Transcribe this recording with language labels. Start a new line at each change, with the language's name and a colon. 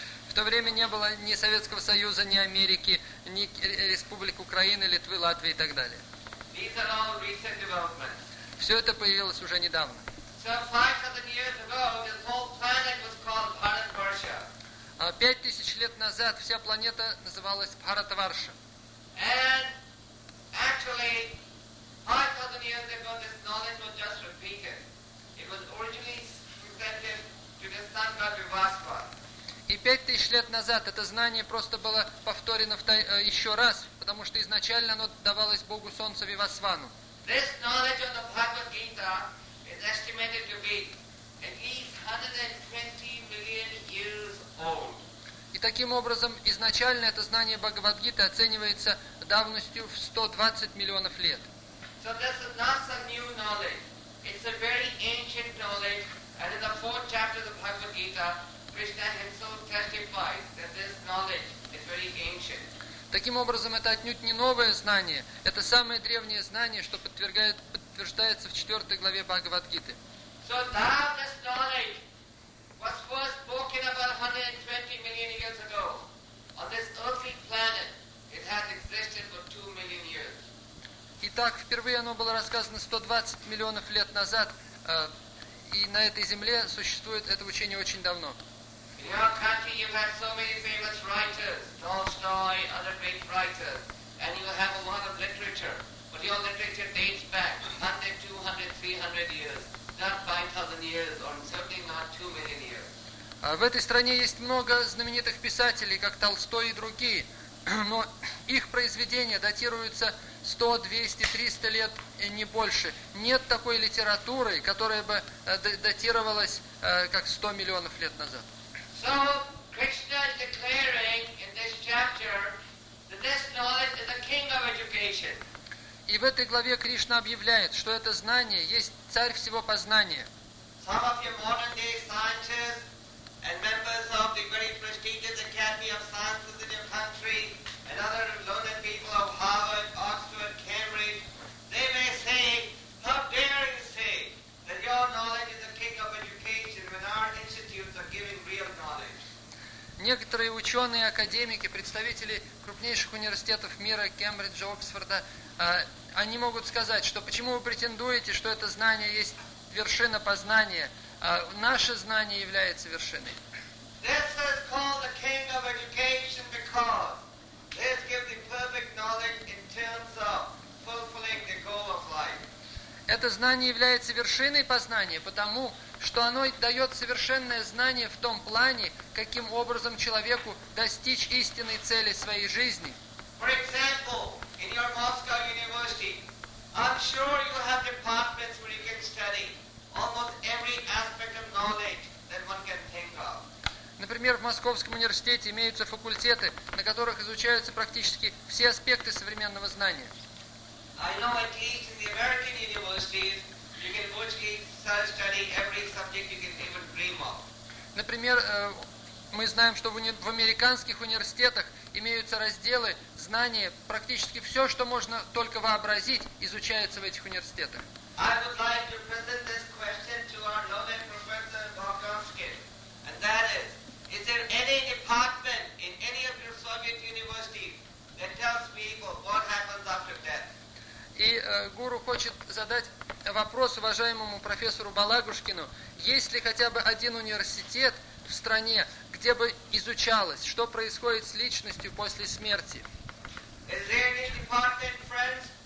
Russian: В то время не было ни Советского Союза, ни Америки, ни республик Украины, Литвы, Латвии и так далее.
English: These are all recent developments.
Russian: Все это появилось уже недавно.
English: So 5,000 years ago, this whole planet was called Bharat Varsha.
Russian: 5,000 лет назад вся планета называлась Бхарат-Варша.
English: And actually, 5,000 years ago, this knowledge was just repeated. It was originally presented to the sun god Vivaspa.
Russian: И 5,000 лет назад это знание просто было повторено еще раз, потому что изначально оно давалось Богу Солнца Вивасвану.
English: This knowledge of the Bhagavad Gita is estimated to be at least 120 million years old.
Russian: И таким образом, изначально это знание Бхагавад-гиты оценивается давностью в 120 миллионов лет.
English: So this is not some new knowledge. It's a very ancient knowledge, and in the fourth chapter of the Bhagavad Gita, Krishna himself testifies that this knowledge is very ancient.
Russian: Таким образом, это отнюдь не новое знание, это самое древнее знание, что подтверждается в 4 главе Бхагавад-гиты.
English: So doubtless knowledge was first spoken about 120 million years ago. On this earthly planet, it has existed for 2 million years.
Russian: Итак, впервые оно было рассказано 120 миллионов лет назад, и на этой земле существует это учение очень давно.
English: In your country, you've had so many famous writers, Tolstoy, other great writers, and you have a lot of literature. But your literature dates back 100, 200, 300 years, not 5,000 years, or certainly not 2 million years.
Russian: В этой стране есть много знаменитых писателей, как Толстой и другие, но их произведения датируются 100, 200, 300 лет и не больше. Нет такой литературы, которая бы датировалась как 100 миллионов лет назад.
English: So Krishna is declaring in this chapter that this knowledge is the king of education.
Russian: И в этой главе Кришна объявляет, что это знание есть царь всего познания.
English: Some of your modern day scientists and members of the very prestigious Academy of Sciences in your country and other learned people of Harvard, Oxford, Cambridge, they may say, how dare you say that your knowledge is the king of education when our institutes are giving real knowledge.
Russian: Некоторые ученые, академики, представители крупнейших университетов мира, Кембриджа, Оксфорда, они могут сказать, что почему вы претендуете, что это знание есть вершина познания, а наше знание является вершиной.
English: This is called the king of education because this gives the perfect knowledge in terms of fulfilling the goal of life.
Russian: Это знание является вершиной познания, потому что оно дает совершенное знание в том плане, каким образом человеку достичь истинной цели своей жизни.
English: For example, in your Moscow University, I'm sure you have departments where you can study almost every aspect of knowledge that one can think of.
Russian: Например, в Московском университете имеются факультеты, на которых изучаются практически все аспекты современного знания.
English: I know at least in the American universities, you can virtually study every subject you can even dream of.
Russian: Например, мы знаем, что в американских университетах имеются разделы, знания, практически все, что можно только вообразить, изучается в этих университетах.
English: I would like to present this question to our learned professor Borkowski. And that is there any department in any of your Soviet universities that tells people what happens after death?
Russian: И гуру хочет задать вопрос уважаемому профессору Балагушкину, есть ли хотя бы один университет в стране, где бы изучалось, что происходит с личностью после смерти?
English: Is there any department, friends?